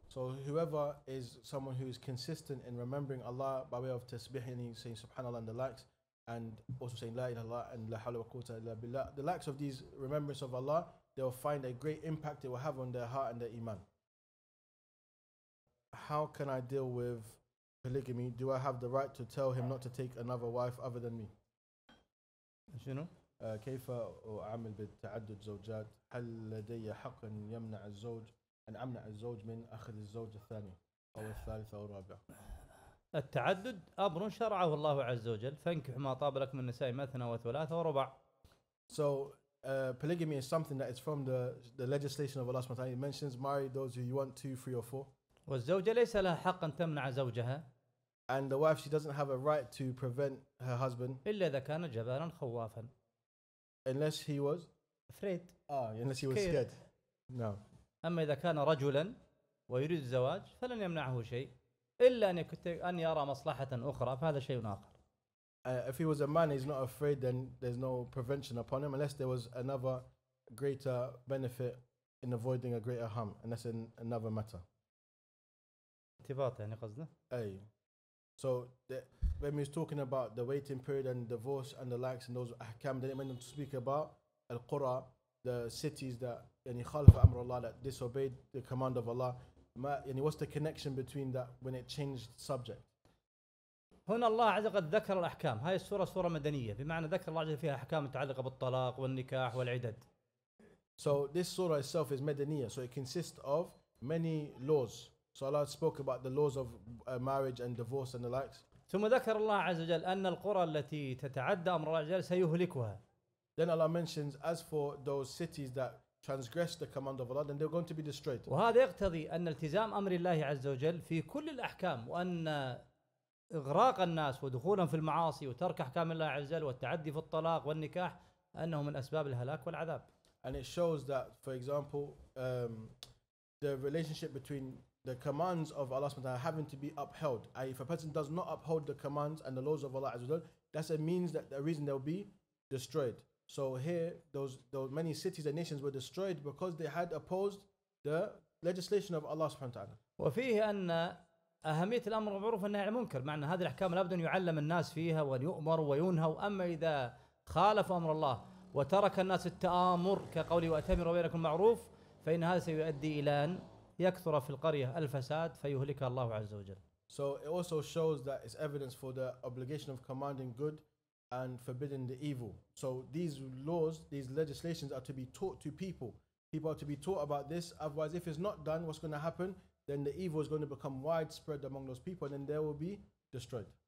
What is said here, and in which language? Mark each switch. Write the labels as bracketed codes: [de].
[en] So whoever is someone who is consistent in remembering Allah by way of tasbih and saying subhanallah and the likes, and also saying la ilaha illallah and la hawla wa quwwata illa billah, the likes of these remembrance of Allah, they will find a great impact it will have on their heart and their iman. How can I deal with polygamy? Do I have the right to tell him not to take another wife other than me? [ar] شنو؟ كيف أعمل بالتعدد زوجات؟ هل لدي حق يمنع الزوج أن أمنع الزوج من أخذ الزوج الثاني أو الثالث أو الرابع؟ التعدد أمر شرعه الله عز وجل، فانكح ما طاب لك من النساء مثنى وثلاث ورباع. [en] So polygamy is something that is from the legislation of Allah. It mentions marry those who you want, two, three, or four. [ar] والزوجة ليس لها حق أن تمنع زوجها. [en] And the wife, she doesn't have a right to prevent her husband. [ar] إلا إذا كان جبانا خوافا. [en] Unless he was afraid. Unless he was scared. No. [ar] أما إذا كان رجلا ويريد الزواج فلن يمنعه شيء إلا أن يرى مصلحة أخرى فهذا شيء آخر. [en] If he was a man, he's not afraid, then there's no prevention upon him unless there was another greater benefit in avoiding a greater harm, and that's in another matter. [ar] ارتباط يعني قصده؟ أي. [en] So when he's talking about the waiting period and divorce and the likes and those ahkam, then he meant to speak about [ar] القرى, [en] the cities that [ar] يعني خالف أمر الله, [en] that disobeyed the command of Allah. [ar] ما يعني [en] what's the connection between that when it changed subject? [ar] هنا الله عز وجل ذكر الأحكام. هاي السورة سورة مدنية, بمعنى ذكر الله عز وجل فيها أحكام متعلقة بالطلاق والنكاح والعدد. [en] So this surah itself is مدنية, so it consists of many laws. So Allah spoke about the laws of marriage and divorce and the likes. [ar] ثم ذكر الله عز وجل أن القرى التي تتعدى أمر الله عز وجل سيهلكها. [en] Then Allah mentions, as for those cities that transgress the command of Allah, then they're going to be destroyed. [ar] وهذا يقتضي أن التزام أمر الله عز وجل في كل الأحكام, وأن إغراق الناس ودخولهم في المعاصي وترك أحكام الله عز وجل والتعدي في الطلاق والنكاح أنه من أسباب الهلاك والعذاب. [en] And it shows that, for example, the relationship between the commands of Allah subhanahu wa ta'ala having to be upheld. If a person does not uphold the commands and the laws of Allah azza wa jalla, that's a means that the reason they'll be destroyed. So here, those many cities and nations were destroyed because they had opposed the legislation of Allah subhanahu wa ta'ala. [ar] وفيه أن أهمية الأمر المعروف والنهي عن المنكر, معنى هذه الأحكام لابد أن يعلم الناس فيها ويؤمر وينهى, وأما إذا خالف أمر الله وترك الناس التآمر كقوله وأتمر بينكم معروف فإن هذا سيؤدي إلى أن يكثر في القرية الفساد فيهلك الله عز وجل. [en] So it also shows that it's evidence for the obligation of commanding good and forbidding the evil. So these laws, these legislations are to be taught to people. People are to be taught about this. Otherwise, if it's not done, what's going to happen? Then the evil is going to become widespread among those people, and then they will be destroyed.